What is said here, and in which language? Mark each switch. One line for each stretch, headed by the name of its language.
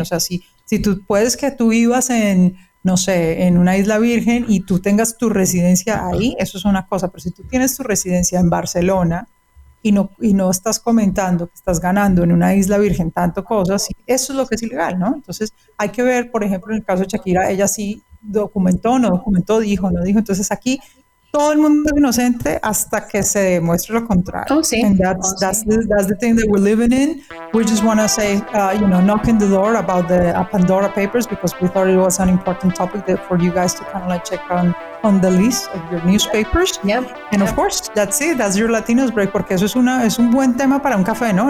Spanish: O sea, si tú puedes que tú vivas en, no sé, en una isla virgen y tú tengas tu residencia ahí, eso es una cosa, pero si tú tienes tu residencia en Barcelona, y no estás comentando que estás ganando en una isla virgen tanto cosas, eso es lo que es ilegal, ¿no? Entonces, hay que ver, por ejemplo, en el caso de Shakira, ella sí documentó, no documentó, dijo, no dijo. Entonces, aquí todo el mundo es inocente hasta que se demuestre lo contrario. Oh, sí.
English: And that's the thing that we're living in. We just want to say, you know, knocking the door about the Pandora Papers because we thought it was an important topic that for you guys to kind of like check on the list of your newspapers. Yep. And of course, that's it. That's your Latinos break,
Spanish: porque eso es un buen tema para un café, ¿no?